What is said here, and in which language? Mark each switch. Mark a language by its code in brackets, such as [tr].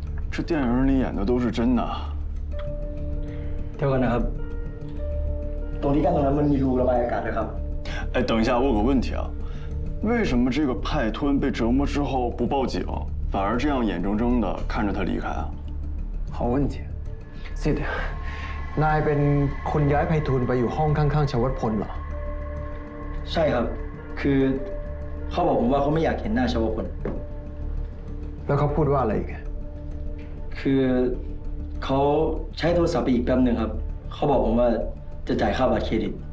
[zh] 这电影里演的都是真的跳个男孩 [th] ตรงนี้กันตรงนั้นมันมีรูระบายอากาศนะครับ [zh] 哎等一下问个问题啊为什么这个派吞被折磨之后不报警反而这样眼睁睁的看着他离开啊好问题是的 [th] นายเป็นคนย้ายไพฑูรย์ไปอยู่ห้องข้างๆชวัฒพลเหรอ ใช่ครับคือเขาบอกผมว่าเขาไม่อยากเห็นหน้าชวัฒพล แล้วเขาพูดว่าอะไร คือเขาใช้โทรศัพท์ไปอีกแป๊บนึงครับเขาบอกผมว่าจะจ่ายค่าบัตรเครดิต